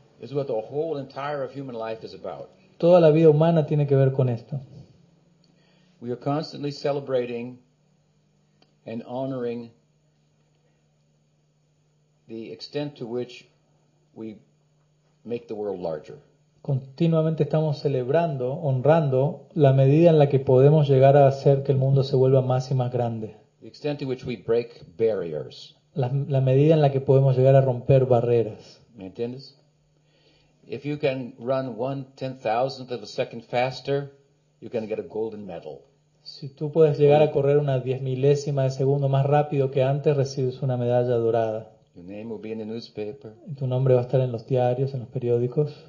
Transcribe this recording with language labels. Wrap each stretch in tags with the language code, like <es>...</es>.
<en>This is what the whole entire of human life is about.</en> <es>Toda la vida humana tiene que ver con esto.</es> <en>We are constantly celebrating and honoring the extent to which we make the world larger.</en> <es>Continuamente estamos celebrando, honrando la medida en la que podemos llegar a hacer que el mundo se vuelva más y más grande.</es> <en>The extent to which we break barriers.</en> <es>La medida en la que podemos llegar a romper barreras. ¿Me entiendes?</es> <en>If you can run 1/10,000th of a second faster, you can get a golden medal.</en> <es>Si tú puedes llegar a correr 1/10,000th de segundo más rápido que antes, recibes una medalla dorada.</es> <en>Your name will be in the newspaper.</en> <es>Tu nombre va a estar en los diarios, en los periódicos.</es>